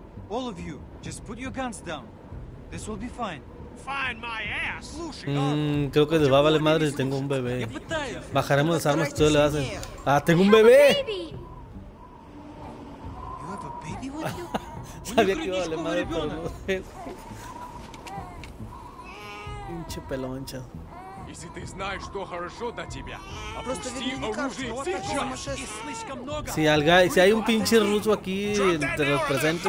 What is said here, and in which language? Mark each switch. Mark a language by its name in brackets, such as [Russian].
[English] All of you, just put your guns down. This will be fine. Find my ass. [Spanish] Creo que les va a valer madre si tengo un bebé. Bajaremos las armas y tú le haces. ¡Ah, tengo un bebé! Sabía que iba a valer madre por los bebés. Pinche peloncha. [Russian] И [Spanish] si [Russian] ты знаешь, что хорошо для тебя, опусти оружие сейчас! [Spanish] Si hay un pinche ruso aquí, te los presento.